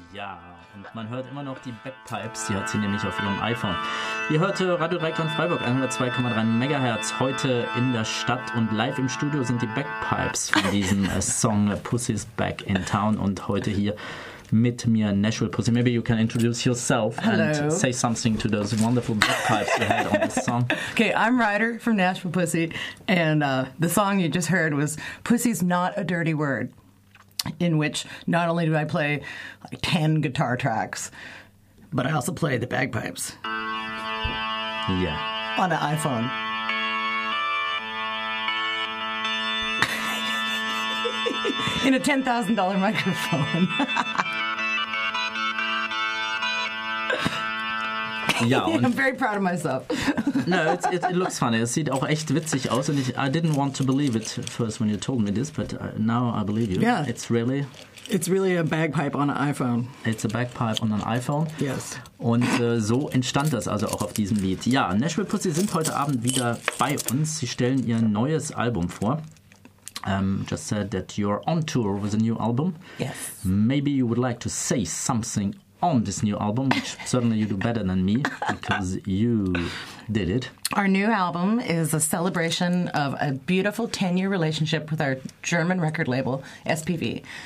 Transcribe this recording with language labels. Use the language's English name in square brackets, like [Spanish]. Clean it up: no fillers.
[German] Ja, und man hört immer noch die Backpipes, die hat sie nämlich auf ihrem iPhone. Ihr hört Radio Dreiklang Freiburg, 102,3 MHz, heute in der Stadt und live im Studio sind die Backpipes von diesem Song Pussy's Back in Town und heute hier mit mir Nashville Pussy. [English] Maybe you can introduce yourself. Hello. And say something to those wonderful backpipes you had on this song. Okay, I'm Ryder from Nashville Pussy and the song you just heard was Pussy's Not a Dirty Word. In which not only do I play like 10 guitar tracks, but I also play the bagpipes. Yeah. On an iPhone. In a $10,000 microphone. [German] Ja, [English] I'm very proud of myself. No, it looks funny. [German] Es sieht auch echt witzig aus. [English] And I didn't want to believe it first when you told me this, but now I believe you. Yeah. It's really a bagpipe on an iPhone. It's a bagpipe on an iPhone. Yes. [German] Und so entstand das also auch auf diesem Lied. Ja, Nashville Pussy sind heute Abend wieder bei uns. Sie stellen ihr neues Album vor. [English] Just said that you're on tour with a new album. Yes. Maybe you would like to say something on this new album, which certainly you do better than me, because you did it. Our new album is a celebration of a beautiful 10-year relationship with our German record label, SPV.